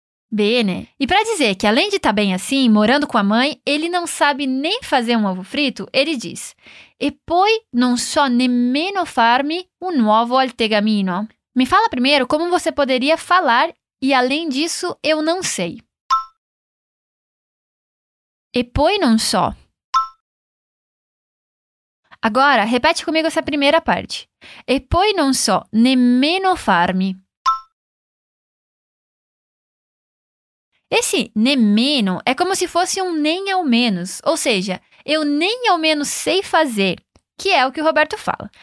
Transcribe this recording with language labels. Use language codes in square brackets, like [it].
[pt] Bene. E para dizer que além de estar bem assim, morando com a mãe, ele não sabe nem fazer um ovo frito, ele diz [it] e poi non so nemmeno farmi un uovo al tegamino. [pt] Me fala primeiro como você poderia falar e além disso eu não sei. [it] E poi non so. [pt] Agora, repete comigo essa primeira parte. [it] E poi non so nemmeno farmi. [pt] Esse nemmeno é como se fosse um nem ao menos, ou seja, eu nem ao menos sei fazer, que é o que o Roberto fala.